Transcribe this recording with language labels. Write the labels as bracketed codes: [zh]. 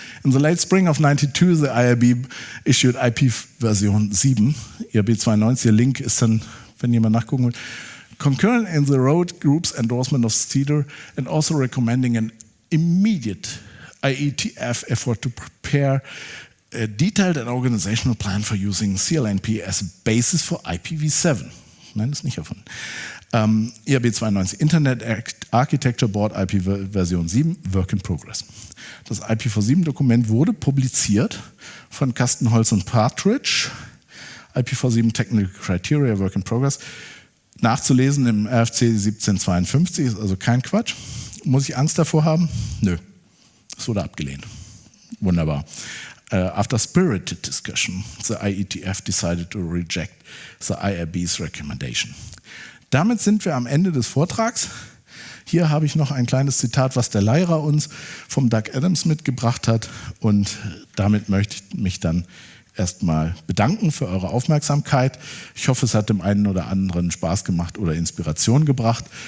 [en] In the late spring of 92, the IRB issued IPv7. [de] IRB 92, der Link ist dann, wenn jemand nachgucken will. [en] Concurrent in the road group's endorsement of CEDAR and also recommending an immediate IETF effort to prepare a detailed and organizational plan for using CLNP as a basis for IPv7. [de] Nein, das ist nicht erfunden. IRB 92, Internet Architecture Board IPv7, Work in Progress. Das IPv7-Dokument wurde publiziert von Carsten Holz und Partridge. IPv7 Technical Criteria, Work in Progress. Nachzulesen im RFC 1752, ist also kein Quatsch. Muss ich Angst davor haben? Nö. Es wurde abgelehnt. Wunderbar. [en] After spirited discussion, the IETF decided to reject the IRB's recommendation. [de] Damit sind wir am Ende des Vortrags. Hier habe ich noch ein kleines Zitat, was der Leira uns vom Doug Adams mitgebracht hat. Und damit möchte ich mich dann erstmal bedanken für eure Aufmerksamkeit. Ich hoffe, es hat dem einen oder anderen Spaß gemacht oder Inspiration gebracht.